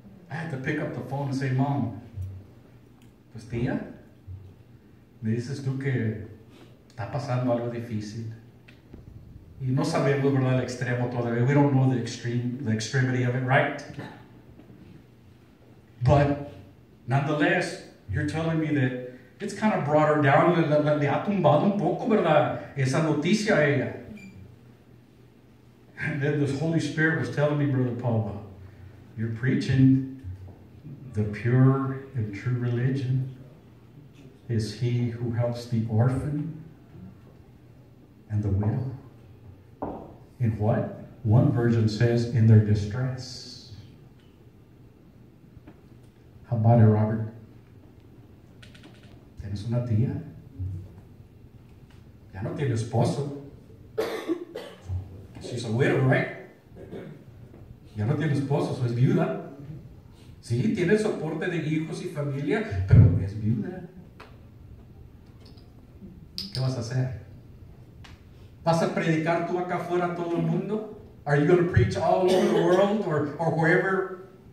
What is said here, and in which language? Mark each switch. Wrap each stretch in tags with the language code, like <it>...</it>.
<en>I had to pick up the phone and say, Mom,</en> <es>pues tía, me dices tú que está pasando algo difícil. Y no sabemos, ¿verdad?, el extremo todavía.</es> <en>We don't know the extremity of it, right? But nonetheless, you're telling me that it's kind of brought her down.</en> <es>Le ha tumbado un poco, ¿verdad?, esa noticia a ella.</es> <en>And then the Holy Spirit was telling me, Brother Paul, you're preaching the pure and true religion is he who helps the orphan and the widow. In what? One version says, in their distress. How about it, Robert?</en> <es>¿Tienes una tía? Ya no tiene esposo.</es> <en>She's a widow, right?</en> <es>Ya no tiene esposo, so es viuda. Sí, tiene soporte de hijos y familia, pero es viuda. ¿Qué vas a hacer? ¿Vas a predicar tú acá afuera a todo el mundo?</es> <en>Are you going to preach all over the world or wherever?</en>